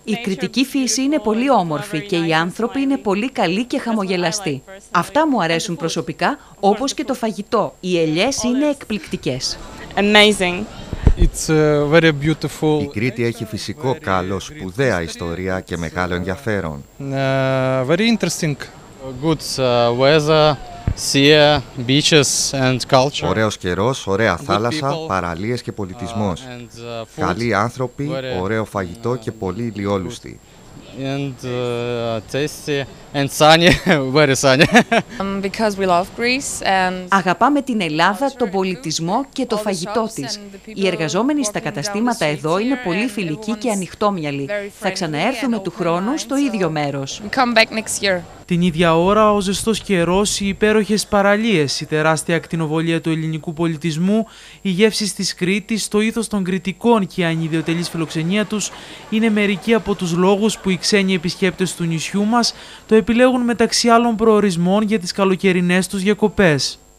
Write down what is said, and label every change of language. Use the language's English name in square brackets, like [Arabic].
[Greek] Η κριτική φύση είναι πολύ όμορφη και οι άνθρωποι είναι πολύ καλοί και χαμογελαστοί. Αυτά μου αρέσουν προσωπικά, όπως και το φαγητό. Οι ελιές είναι εκπληκτικές. [English] Amazing. It's very beautiful. [Greek] Η Κρήτη έχει φυσικό καλό, σπουδαία ιστορία και μεγάλο ενδιαφέρον. [English] Very interesting. Good weather, sea, beaches and culture. [Greek] Ωραίος καιρός, ωραία θάλασσα, παραλίες και πολιτισμός. Καλοί άνθρωποι, ωραίο φαγητό και πολύ ηλιόλουστοι. [English] And tasty and sunny, very sunny. Because we love Greece and [Greek] αγαπάμε την Ελλάδα, τον πολιτισμό και το φαγητό της. Οι εργαζόμενοι στα καταστήματα εδώ είναι πολύ φιλικοί και ανοιχτόμυαλοι. Θα ξαναέρθουμε του χρόνου στο ίδιο μέρος. [English] Come back next year. [Greek] Την ίδια ώρα, ο ζεστός καιρός, οι υπέροχες παραλίες, η τεράστια ακτινοβολία του ελληνικού πολιτισμού, οι γεύσεις της Κρήτης, το ήθος των κριτικών και η ανιδιοτελής φιλοξενία τους είναι μερικοί από τους λόγους που οι ξένοι επισκέπτες του νησιού μας το επιλέγουν μεταξύ άλλων προορισμών για τις καλοκαιρινές τους διακοπές.